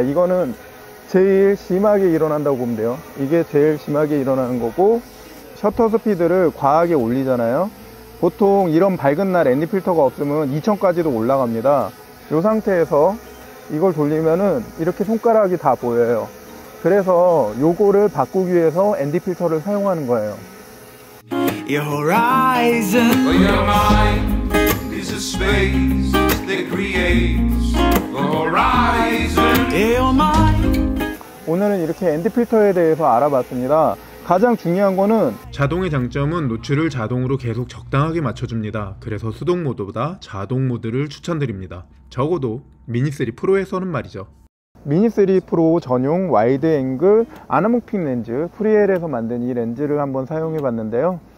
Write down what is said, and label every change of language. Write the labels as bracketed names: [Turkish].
[Korean] 이거는 제일 심하게 일어난다고 보면 돼요. 이게 제일 심하게 일어나는 거고, 셔터 스피드를 과하게 올리잖아요. 보통 이런 밝은 날 ND 필터가 없으면 2000까지도 올라갑니다. 이 상태에서 이걸 돌리면은 이렇게 손가락이 다 보여요. 그래서 요거를 바꾸기 위해서 ND 필터를 사용하는 거예요. [English] Your horizon or your mind is a space that creates the horizon. Your mind. [Korean] 오늘은 이렇게 ND 필터에 대해서 알아봤습니다. 가장 중요한 거는 자동의 장점은 노출을 자동으로 계속 적당하게 맞춰줍니다. 그래서 수동 모드보다 자동 모드를 추천드립니다. 적어도 미니3 프로에서는 말이죠. 미니3 프로 전용 와이드 앵글 아나모픽 렌즈, 프리엘에서 만든 이 렌즈를 한번 사용해 봤는데요.